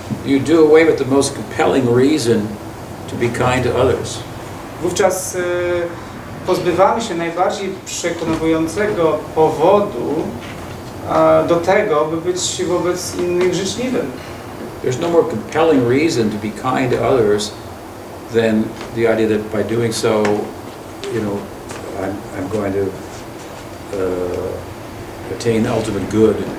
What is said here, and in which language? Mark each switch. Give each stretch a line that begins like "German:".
English: You do away with the most compelling reason to be kind to others.
Polish: Wówczas pozbywamy się najbardziej przekonującego powodu do tego, by być wobec innych życzliwym.
English: There's no more compelling reason to be kind to others than the idea that by doing so, you know, I'm going to attain ultimate good.